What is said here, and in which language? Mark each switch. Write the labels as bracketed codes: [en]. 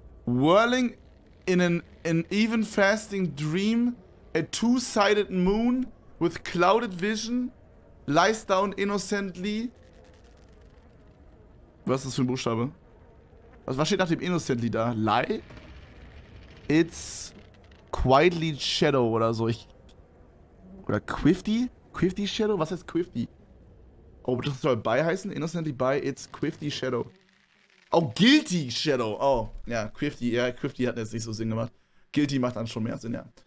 [en] Whirling in an even fasting dream, a two-sided moon with clouded vision lies down innocently. [de] Was ist das für ein Buchstabe? Was steht nach dem innocently da? [en] Lie? It's quietly shadow [de] oder so. Oder Quifty? Quifty Shadow? Was heißt Quifty? Oh, das soll bei heißen? [en] Innocently by, it's Quifty Shadow. [de] Oh, Guilty Shadow. Oh, ja, Quifty. Ja, Quifty hat jetzt nicht so Sinn gemacht. Guilty macht dann schon mehr Sinn, ja.